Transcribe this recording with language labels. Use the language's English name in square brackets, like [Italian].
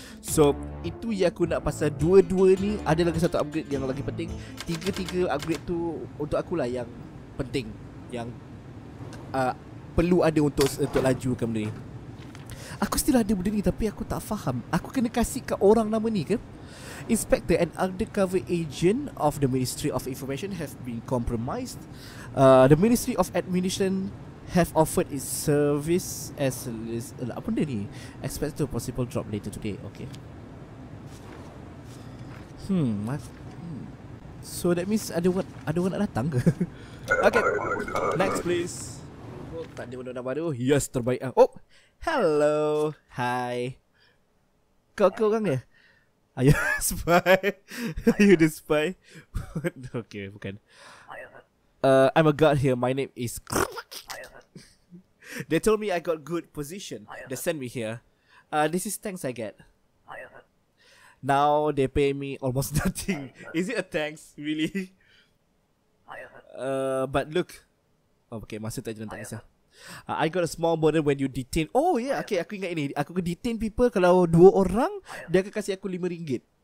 [Malay] So itu yang aku nak pasal dua-dua ni. Ada lagi satu upgrade yang lagi penting. Tiga-tiga upgrade tu untuk akulah yang penting. Yang perlu ada untuk lajukan benda ni. Aku still ada benda ni tapi aku tak faham. Aku kena kasih kat orang nama ni ke? [English] Inspector and undercover agent of the Ministry of Information have been compromised. The Ministry of Administration have offered its service as a list. [Malay] Apa benda ni? [English] Expect to possible drop later today. Okay. [Malay] So that means ada orang nak datang ke? Okay. [English] Next please. [Malay] Oh, tak ada benda baru. Yes, terbaik. Oh, Hello. Hi. Kau ke orang dia? [English] Are you a spy? Are you the spy? [Malay] Okay, bukan. [English] I'm a guard here. My name is... They told me I got good position. They sent me here. This is thanks I get. Now they pay me almost nothing. Is it a thanks? Really? But look. [Malay] Oh, okay, masa tak jalan tak kisah. [English] I got a small bonus when you detain. [Malay] Oh yeah, okay, aku ingat ini. Aku [English] detain people [Malay] kalau dua orang, dia akan kasih aku RM5.